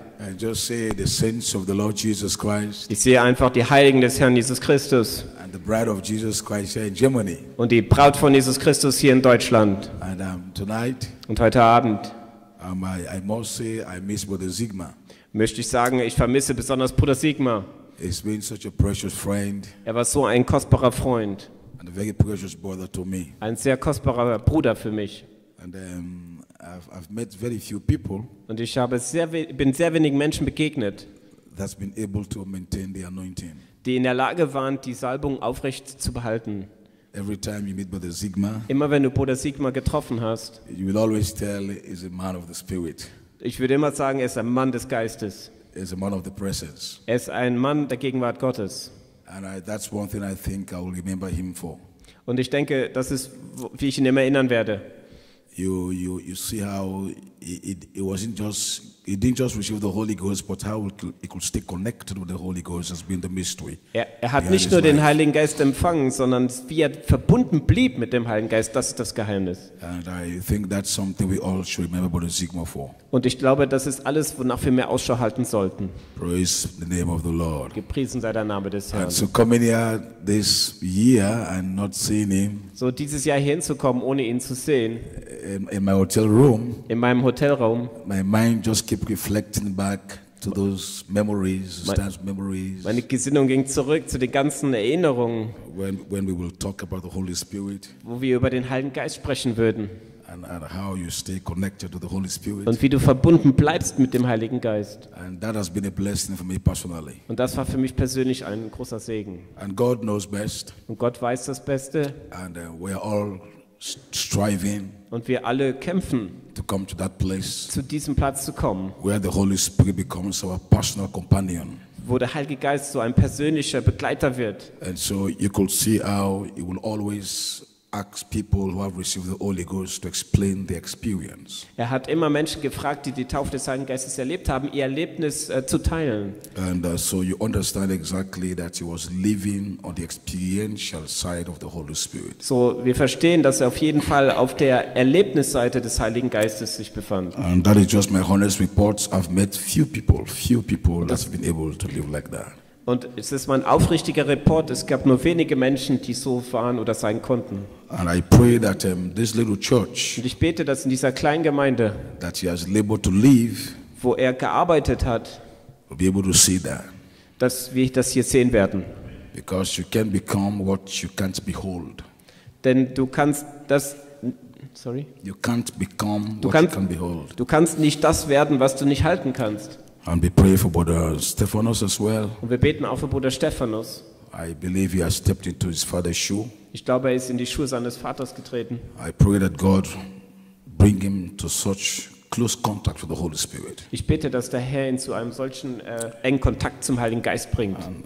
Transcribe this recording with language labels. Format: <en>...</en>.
<en>And just say the saints of the Lord Jesus Christ.</en> <de>Ich sehe einfach die Heiligen des Herrn Jesus Christus.</de> <en>And the bride of Jesus Christ here in Germany.</en> <de>Und die Braut von Jesus Christus hier in Deutschland.</de> <en>And tonight.</en> <de>Und heute Abend.</de> <en>I must say I miss Brother Sigma.</en> <de>Möchte ich sagen, ich vermisse besonders Bruder Sigma.</de> <en>He's been such a precious friend.</en> <de>Er war so ein kostbarer Freund.</de> <en>And a very precious brother to me.</en> <de>Ein sehr kostbarer Bruder für mich.</de> <en>And I've met very few people.</en> <de>Und ich habe bin sehr wenigen Menschen begegnet.</de> <en>That's been able to maintain the anointing.</en> <de>Die in der Lage waren, die Salbung aufrecht zu behalten.</de> <en>Every time you meet Brother Sigma.</en> <de>Immer wenn du Bruder Sigma getroffen hast.</de> <en>You will always tell he's a man of the spirit.</en> <de>Ich würde immer sagen, er ist ein Mann des Geistes.</de> <en>Is a man of the presence.</en> <de>Er ist ein Mann der Gegenwart Gottes.</de> <en>And that's one thing I think I will remember him for.</en> <de>Und ich denke, das ist, wie ich ihn immer erinnern werde.</de> <en>You see how it wasn't just he didn't just receive the Holy Ghost, but how he could stay connected with the Holy Ghost has been the mystery.</en> <de>Er hat nicht nur den Heiligen Geist empfangen, sondern wie er verbunden blieb mit dem Heiligen Geist, das ist das Geheimnis.</de> <en>And I think that's something we all should remember Brother Sigma for.</en> <de>Und ich glaube, das ist alles, wonach wir mehr Ausschau halten sollten.</de> <en>Praise the name of the Lord.</en> <de>Gepriesen sei der Name des Herrn.</de> <en>And so coming here this year and not seeing him.</en> <de>So dieses Jahr hinzukommen, ohne ihn zu sehen.</de> <en>In my hotel room.</en> <de>In meinem Hotelraum.</de> <en>My mind just keep reflecting back to those memories, those memories.</en> <de>Meine Gesinnung ging zurück zu den ganzen Erinnerungen.</de> <en>When we will talk about the Holy Spirit.</en> <de>Wo wir über den Heiligen Geist sprechen würden.</de> <en>And how you stay connected to the Holy Spirit.</en> <de>Und wie du verbunden bleibst mit dem Heiligen Geist.</de> <en>And that has been a blessing for me personally.</en> <de>Und das war für mich persönlich ein großer Segen.</de> <en>And God knows best.</en> <de>Und Gott weiß das Beste.</de> <en>And we are all striving.</en> <de>Und wir alle kämpfen.</de> <en>To come to that place.</en> <de>Zu diesem Platz zu kommen.</de> <en>Where the Holy Spirit becomes our personal companion.</en> <de>Wo der Heilige Geist so ein persönlicher Begleiter wird.</de> <en>And so you could see how he will always asks people who have received the Holy Ghost to explain the experience.</en> <de>Er hat immer Menschen gefragt, die die Taufe des Heiligen Geistes erlebt haben, ihr Erlebnis zu teilen.</de> <en>And so you understand exactly that he was living on the experiential side of the Holy Spirit.</en> <de>So wir verstehen, dass er auf jeden Fall auf der Erlebnisseite des Heiligen Geistes sich befand.</de> <en>And that is just my honest report. I've met few people that have been able to live like that.</en> <de>Und es ist mein aufrichtiger Report, es gab nur wenige Menschen, die so waren oder sein konnten.</de> <en>And I pray that, this little church,</en> <de>und ich bete, dass in dieser kleinen Gemeinde,</de> <en>that he has labored to live,</en> <de>wo er gearbeitet hat,</de> <en>we'll be able to see that.</en> <de>Dass wir das hier sehen werden.</de> <en>Because you can become what you can't behold.</en> <de>Denn du kannst das...</de> <en>Sorry? You can't become what</en> <de>kannst,</de> <en>you can behold.</en> <de>Du kannst nicht das werden, was du nicht halten kannst.</de> <en>And we pray for Brother Stephanos as well.</en> <de>Und wir beten auch für Bruder Stephanos.</de> <en>I believe he has stepped into his father's shoe.</en> <de>Ich glaube, er ist in die Schuhe seines Vaters getreten.</de> <en>I pray that God bring him to such close contact with the Holy Spirit.</en> <de>Ich bete, dass der Herr ihn zu einem solchen engen Kontakt zum Heiligen Geist bringt.</de>